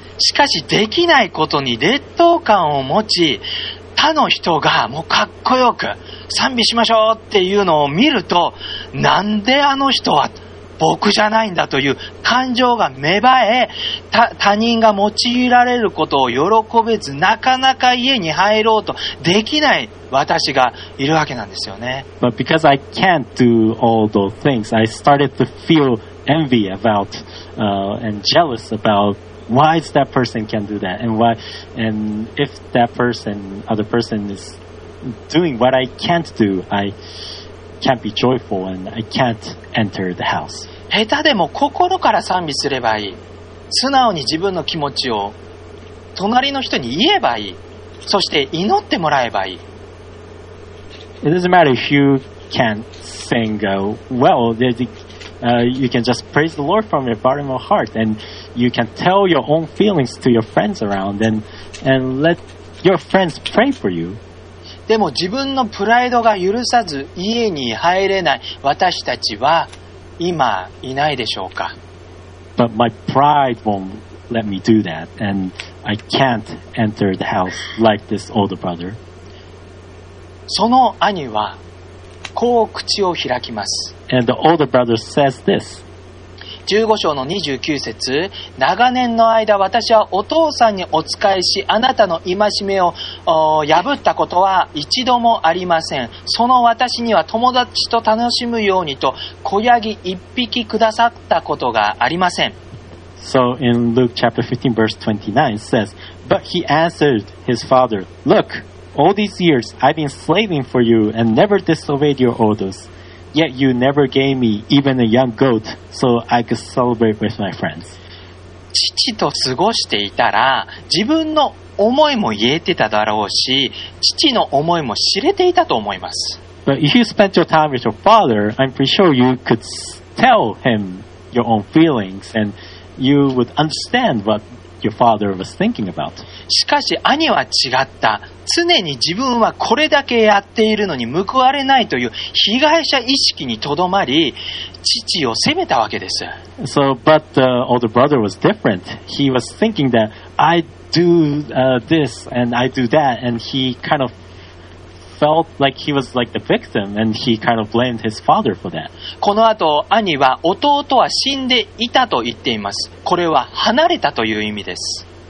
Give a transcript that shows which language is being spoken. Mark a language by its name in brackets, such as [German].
[Japanese] しかしできないことに劣等感を持ち、他の人がもうかっこよく賛美しましょうっていうのを見ると、なんであの人は僕じゃないんだという感情が芽生え、他人が用いられることを喜べず、なかなか家に入ろうとできない私がいるわけなんですよね。 [English] But because I can't do all those things, I started to feel envy about and jealous aboutWhy is that person can do that? And why, and if that person, other person is doing what I can't do, I can't be joyful and I can't enter the house. [Japanese] 下手でも心から賛美すればいい。素直に自分の気持ちを隣の人に言えばいい。そして祈ってもらえばいい。 [English] It doesn't matter if you can't sing well, you can just praise the Lord from your bottom of heart, and you can tell your own feelings to your friends around, and let your friends pray for you. [Japanese] でも自分のプライドが許さず家に入れない私たちは今いないでしょうか。 [English] But my pride won't let me do that, and I can't enter the house like this older brother. [Japanese] その兄はこう口を開きます。 [English] And the older brother says this. [Japanese] 15章の29節、長年の間私はお父さんにお仕えし、あなたの戒めを破ったことは一度もありません。その私には友達と楽しむようにと小ヤギ一匹くださったことがありません。 [English] So in Luke chapter 15 verse 29 it says, But he answered his father, Look, all these years I've been slaving for you and never disobeyed your orders. Yet you never gave me even a young goat so I could celebrate with my friends. [Japanese] 父と過ごしていたら自分の思いも言えてただろうし、父の思いも知れていたと思います。 [English] But if you spent your time with your father, I'm pretty sure you could tell him your own feelings andYou would understand what your father was thinking about. [Japanese] しかし兄は違った。常に自分はこれだけやっているのに報われないという被害者意識にとどまり、父を責めたわけです。 [English] So, but the older brother was different. He was thinking that I do this and I do that, and he kind of felt like he was like the victim, and he kind of blamed his father for that. [Japanese] この後、兄は弟は死んでいたと言っています。これは離れたという意味です。